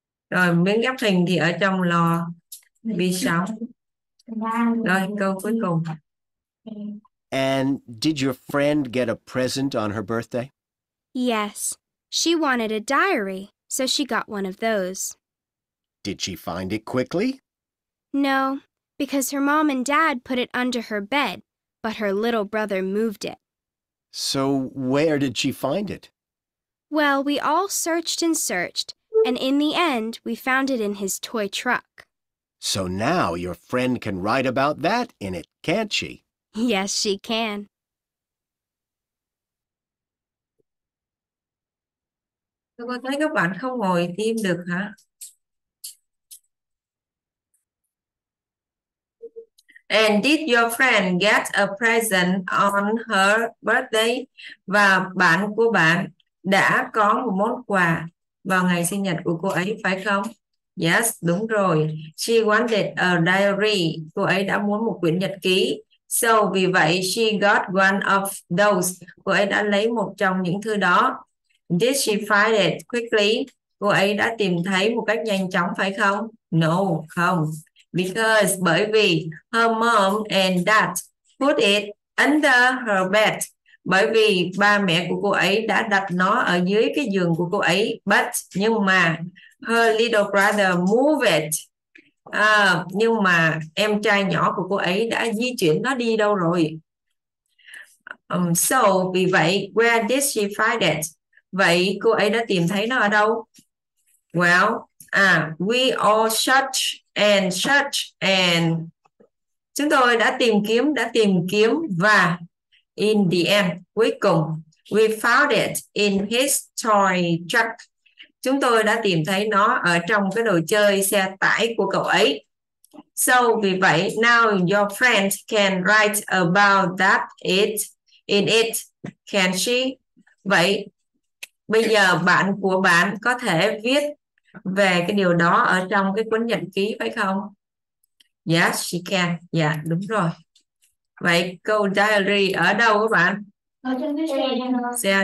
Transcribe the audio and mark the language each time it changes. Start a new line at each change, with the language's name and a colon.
Vietnamese: Rồi, miếng ghép hình thì ở trong lò vi sóng. Rồi, câu cuối cùng.
English: And did your friend get a present on her birthday? Yes. She wanted a diary, so she got one of those. Did she find it quickly? No, because her mom and dad put it under her bed, but her little brother moved it. So where did she find it? Well, we all searched and searched, and in the end, we found it in his toy truck. So now your friend can write about that in it, can't she? Yes, she can.
Vietnamese: Tôi có thấy các bạn không ngồi tìm được hả?
English: And did your friend get a present on her birthday?
Vietnamese: Và bạn của bạn đã có một món quà vào ngày sinh nhật của cô ấy, phải không?
English: Yes,
Vietnamese: đúng rồi.
English: She wanted a diary.
Vietnamese: Cô ấy đã muốn một quyển nhật ký.
English: So,
Vietnamese: vì vậy,
English: she got one of those.
Vietnamese: Cô ấy đã lấy một trong những thư đó.
English: Did she find it quickly?
Vietnamese: Cô ấy đã tìm thấy một cách nhanh chóng, phải không? No, không.
English: Because,
Vietnamese: bởi vì,
English: her mom and dad put it under her bed.
Vietnamese: Bởi vì, ba mẹ của cô ấy đã đặt nó ở dưới cái giường của cô ấy.
English: But,
Vietnamese: nhưng mà,
English: her little brother moved it.
Vietnamese: Nhưng mà, em trai nhỏ của cô ấy đã di chuyển nó đi đâu rồi?
English: So,
Vietnamese: vì vậy,
English: where did she find it?
Vietnamese: Vậy cô ấy đã tìm thấy nó ở đâu?
English: Well, we all search and
Vietnamese: chúng tôi đã tìm kiếm và
English: in the end,
Vietnamese: cuối cùng,
English: we found it in his toy truck.
Vietnamese: Chúng tôi đã tìm thấy nó ở trong cái đồ chơi xe tải của cậu ấy.
English: So,
Vietnamese: vì vậy,
English: now your friend can write about that it in it, can she?
Vietnamese: Vậy bây giờ bạn của bạn có thể viết về cái điều đó ở trong cái cuốn nhật ký, phải không?
English: Yes, she can.
Vietnamese: Dạ, yeah, đúng rồi. Vậy câu diary ở đâu các bạn? Ở trong cái xe